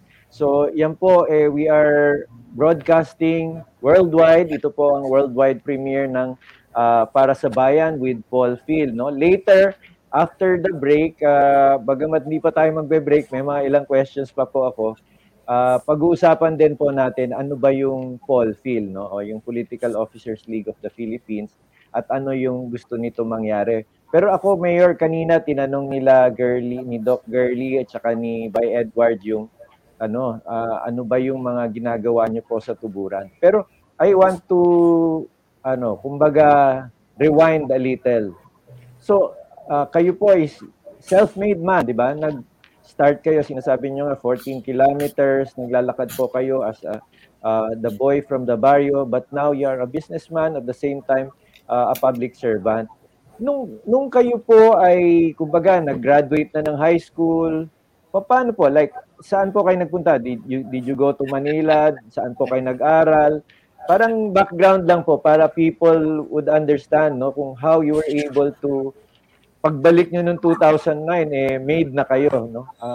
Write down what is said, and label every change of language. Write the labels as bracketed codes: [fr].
[en] So [tl] yan po, [en] we are broadcasting worldwide. [tl] Ito po ang worldwide premiere ng Para sa Bayan with Paul Phil, no? [en] Later, after the break, [tl] bagamat hindi pa tayo magbe-break, may mga ilang questions pa po ako. Pag-uusapan din po natin ano ba yung Paul Phil, no? O yung Political Officers League of the Philippines, at ano yung gusto nito mangyari. Pero ako, Mayor, kanina tinanong nila Girly, ni Doc Girly at saka ni By Edward yung ano ba yung mga ginagawa niyo po sa Tuburan. [en] Pero I want to kumbaga rewind a little. [tl] So kayo po [en] is self-made man, [tl] di ba? Nag-start kayo, sinasabi niyo nga [en] 14 kilometers, [tl] naglalakad po kayo [en] as the boy from the barrio, but now you are a businessman at the same time a public servant. [tl] Nung kayo po ay kumbaga nag-graduate na ng high school, paano po, like, saan po kayo nagpunta? [en] Did you go to Manila? [tl] Saan po kayo nag-aral? Parang background lang po para [en] people would understand, [tl] no, kung [en] how you were able to, [tl] pagbalik nyo noong 2009, made na kayo, no?